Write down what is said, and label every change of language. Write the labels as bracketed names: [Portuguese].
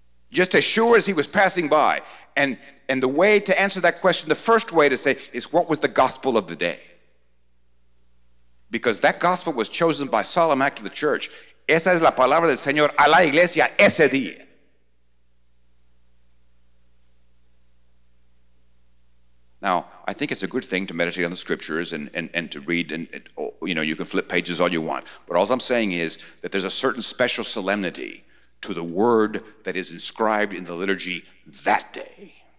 [English] Just as sure as he was passing by. And the way to answer that question, the first way to say, is what was the gospel of the day? Because that gospel was chosen by solemn act of the church. [Spanish] Esa es la palabra del Señor a la iglesia ese día. [English] Now, I think it's a good thing to meditate on the scriptures and to read, and you know, you can flip pages all you want. But all I'm saying is that there's a certain special solemnity to the word that is inscribed in the liturgy that day.